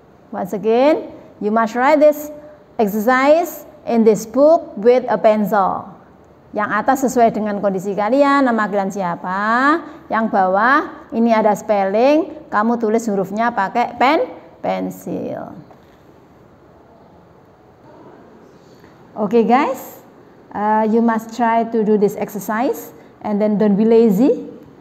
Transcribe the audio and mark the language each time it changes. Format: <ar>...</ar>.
<en>Once again, you must write this exercise in this book with a pencil.</en> <id>Yang atas sesuai dengan kondisi kalian, nama kalian siapa. Yang bawah, ini ada spelling, kamu tulis hurufnya pakai pensil.</id> <en>Okay guys, you must try to do this exercise and then don't be lazy.</en>